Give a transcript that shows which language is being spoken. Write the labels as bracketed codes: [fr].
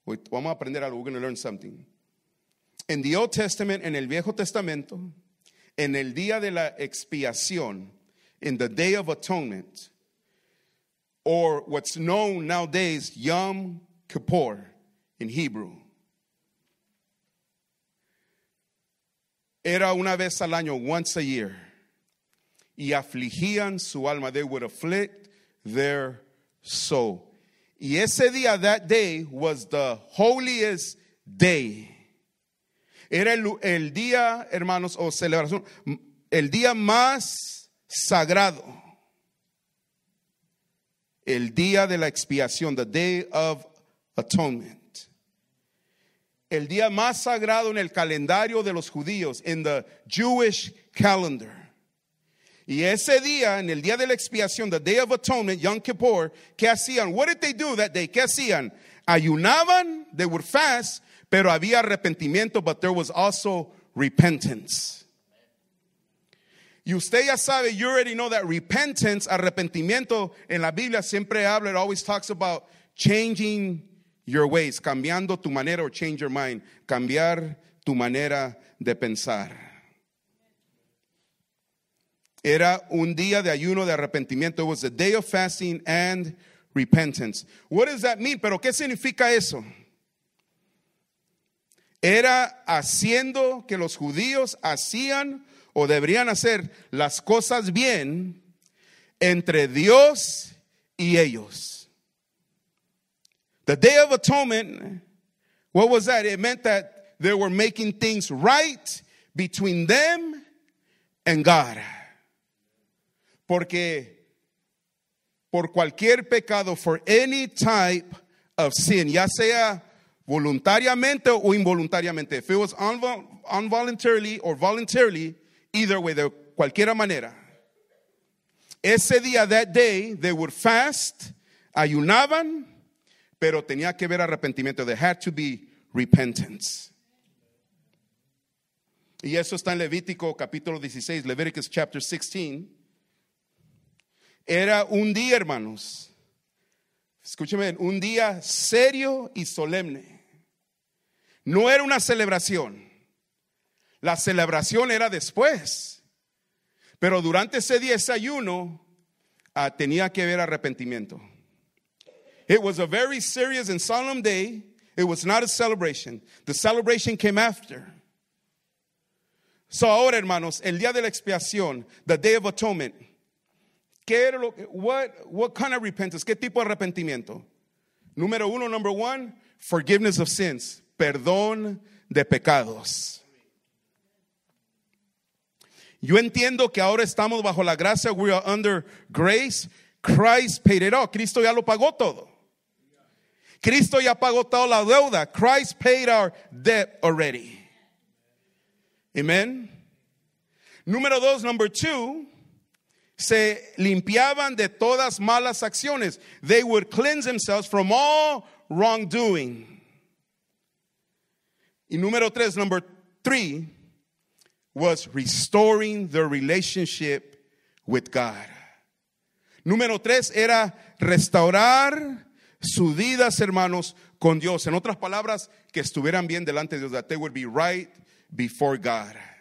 [es] Vamos a aprender algo, [en] we're going to learn something. In the Old Testament, [es] en el Viejo Testamento, en el día de la expiación, [en] in the Day of Atonement, or what's known nowadays, Yom Kippur, in Hebrew. [es] Era una vez al año, [en] once a year. [es] Y afligían su alma. [en] They would afflict their soul. [es] Y ese día, [en] that day, was the holiest day. [es] Era el día, hermanos, o celebración, el día más sagrado. El día de la expiación, [en] the Day of Atonement. [es] El día más sagrado en el calendario de los judíos, [en] in the Jewish calendar. [es] Y ese día, en el día de la expiación, [en] the Day of Atonement, [es] Yom Kippur, ¿qué hacían? [en] What did they do that day? [es] ¿Qué hacían? Ayunaban, [en] they would fast, [es] pero había arrepentimiento, [en] but there was also repentance. [es] Y usted ya sabe, [en] you already know that repentance, [es] arrepentimiento, en la Biblia siempre habla, [en] it always talks about changing your ways, [es] cambiando tu manera, [en] or change your mind, [es] cambiar tu manera de pensar. Era un día de ayuno de arrepentimiento. [en] It was a day of fasting and repentance. What does that mean? [es] ¿Pero qué significa eso? Era haciendo que los judíos hacían o deberían hacer las cosas bien entre Dios y ellos. [en] The Day of Atonement, what was that? It meant that they were making things right between them and God. [es] Porque por cualquier pecado, [en] for any type of sin, [es] ya sea voluntariamente o involuntariamente, [en] if it was involuntarily or voluntarily, either way, [es] de cualquiera manera, ese día, [en] that day, they would fast, [es] ayunaban, pero tenía que ver arrepentimiento. [en] There had to be repentance. [es] Y eso está en Levítico capítulo 16, [en] Leviticus chapter 16. [es] Era un día, hermanos, escúcheme, un día serio y solemne. No era una celebración. La celebración era después. Pero durante ese día, ese ayuno, tenía que haber arrepentimiento. [en] It was a very serious and solemn day. It was not a celebration. The celebration came after. So [es] ahora, hermanos, el día de la expiación, [en] the Day of Atonement, what kind of repentance? [es] ¿Qué tipo de arrepentimiento? Número uno, [en] number one, forgiveness of sins. [es] Perdón de pecados. Yo entiendo que ahora estamos bajo la gracia. [en] We are under grace. Christ paid it all. [es] Cristo ya lo pagó todo. Cristo ya pagó toda la deuda. [en] Christ paid our debt already. Amen. [es] Número dos, [en] number two, [es] se limpiaban de todas malas acciones. [en] They would cleanse themselves from all wrongdoing. [es] Y número tres, [en] number three, was restoring their relationship with God. [es] Número tres era restaurar sus vidas, hermanos, con Dios. En otras palabras, que estuvieran bien delante de Dios. [en] That they would be right before God.